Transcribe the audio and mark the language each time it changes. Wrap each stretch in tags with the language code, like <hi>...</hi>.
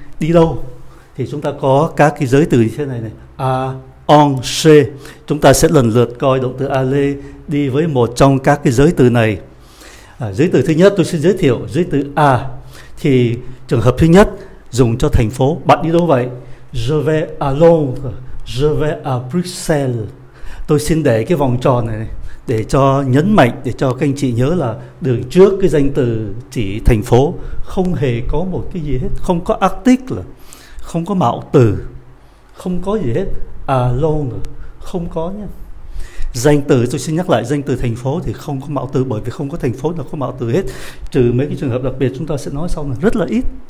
<vi>Đi đâu thì chúng ta có các cái giới từ như thế này này, a, on, she. Chúng ta sẽ lần lượt coi động từ ale đi với một trong các cái giới từ này. Giới từ thứ nhất tôi xin giới thiệu, giới từ a thì trường hợp thứ nhất dùng cho thành phố. Bạn đi đâu vậy?</vi> <fr>Je vais à Londres, je vais à Bruxelles.</fr> <vi>Tôi xin để cái vòng tròn này, này để cho nhấn mạnh, để cho các anh chị nhớ là đường trước cái danh từ chỉ thành phố, không hề có một cái gì hết, không có article, không có mạo từ, không có gì hết. Alone không có nha. Danh từ, tôi xin nhắc lại, danh từ thành phố thì không có mạo từ, bởi vì không có thành phố nào có mạo từ hết, trừ mấy cái trường hợp đặc biệt chúng ta sẽ nói sau này, rất là ít.</vi>